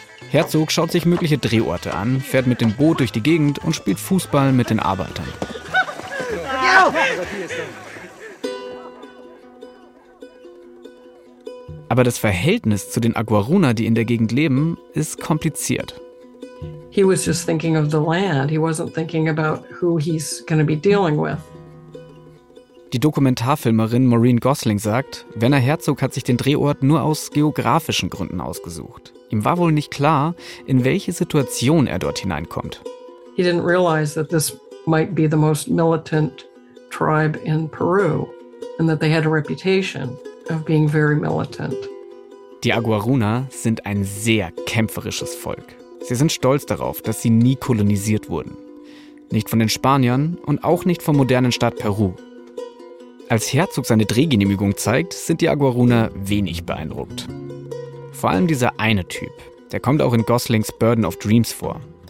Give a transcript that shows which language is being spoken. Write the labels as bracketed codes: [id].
[de] Herzog schaut sich mögliche Drehorte an, fährt mit dem Boot durch die Gegend und spielt Fußball mit den Arbeitern. Aber das Verhältnis zu den Aguaruna, die in der Gegend leben, ist kompliziert. [en] He was just thinking of the land. He wasn't thinking about who he's going to be dealing with. [de] Die Dokumentarfilmerin Maureen Gosling sagt, Werner Herzog hat sich den Drehort nur aus geografischen Gründen ausgesucht. Ihm war wohl nicht klar, in welche Situation er dort hineinkommt. [en] He didn't realize that this might be the most militant tribe in Peru and that they had a reputation of being very militant. [de] Die Aguaruna sind ein sehr kämpferisches Volk. Sie sind stolz darauf, dass sie nie kolonisiert wurden. Nicht von den Spaniern und auch nicht vom modernen Staat Peru. Als Herzog seine Drehgenehmigung zeigt, sind die Aguaruna wenig beeindruckt. Vor allem dieser eine Typ, der kommt auch in Goslings Burden of Dreams vor.